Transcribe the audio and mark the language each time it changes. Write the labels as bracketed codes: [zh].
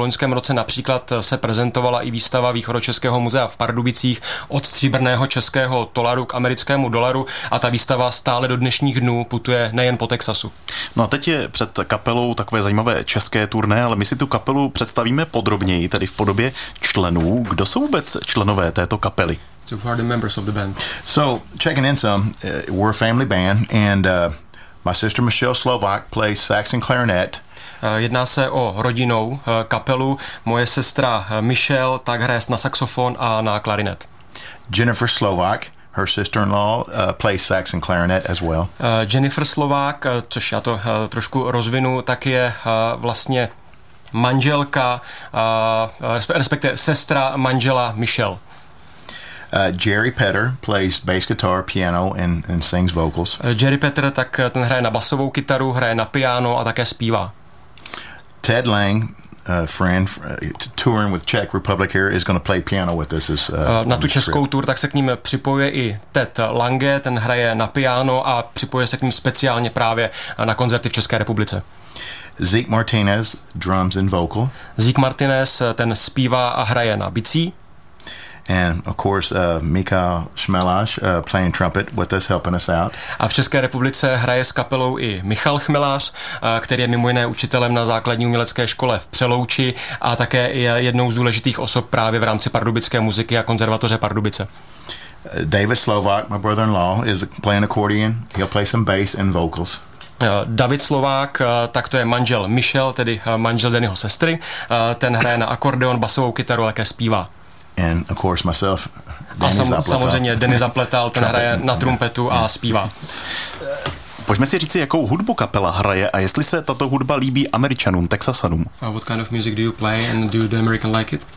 [cs] V loňském roce například se prezentovala i výstava Východočeského muzea v Pardubicích od stříbrného českého tolaru k americkému dolaru a ta výstava stále do dnešních dnů putuje nejen po Texasu. No a teď je před kapelou takové zajímavé české turné, ale my si tu kapelu představíme podrobněji, tedy v podobě členů. Kdo jsou vůbec členové této kapely? [en] So who are the members of the band? So, checking in some, we're a family band and my sister Michelle Slovak plays sax and clarinet. [cs] Jedná se o rodinnou kapelu. Moje sestra Michelle tak hraje na saxofon a na klarinet. [en] Jennifer Slovak, her sister-in-law, plays sax and clarinet as well. [cs] Jennifer Slovak, což já to trošku rozvinu, tak je vlastně manželka, respektive sestra manžela Michelle. [en] Jerry Petter plays bass guitar, piano and sings vocals. [cs] Jerry Petter, tak ten hraje na basovou kytaru, hraje na piano a také zpívá. [en] Ted Lang, friend touring with Czech Republic here, is going to play piano with us. [cs] Na tu českou tour tak se k ním připojuje i Ted Lange, ten hraje na piano a připojuje se k ním speciálně právě na koncerty v České republice. [en] Zeke Martinez, drums and vocal. [cs] Zeke Martinez, ten zpívá a hraje na bicí. [en] And of course Michal Chmeláš playing trumpet with us, helping us out. [cs] A v České republice hraje s kapelou i Michal Chmeláš, který je mimo jiné učitelem na základní umělecké škole v Přelouči a také je jednou z důležitých osob právě v rámci Pardubické muziky a konzervatoře Pardubice. [en] David Slovak, my brother-in-law, is playing accordion. He'll play some bass and vocals. [cs] David Slovák, tak to je manžel Michel, tedy manžel Dannyho sestry, ten hraje na akordeon, basovou kytaru, také zpívá. [en] And of course myself, [cs] samozřejmě Danny Zapletal, ten hraje na trumpetu a zpívá. Pojďme si říci, jakou hudbu kapela hraje a jestli se tato hudba líbí Američanům, Texasanům. [en] What kind of music do you play and do the American like it?